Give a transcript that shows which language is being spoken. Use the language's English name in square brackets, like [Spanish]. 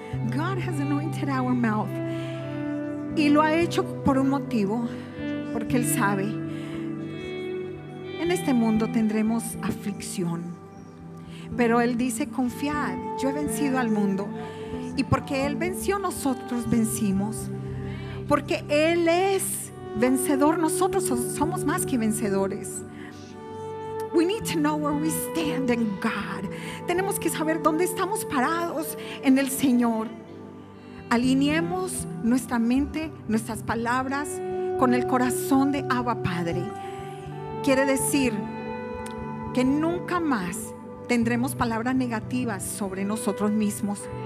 [English] God has anointed our mouth. [Spanish] Y lo ha hecho por un motivo, porque Él sabe. En este mundo tendremos aflicción, pero Él dice: confiad, yo he vencido al mundo. Y porque Él venció, nosotros vencimos. Porque Él es vencedor, nosotros somos más que vencedores. [English] We need to know where we stand in God. [Spanish] Tenemos que saber dónde estamos parados en el Señor. Alineemos nuestra mente, nuestras palabras con el corazón de Abba Padre. Quiere decir que nunca más tendremos palabras negativas sobre nosotros mismos.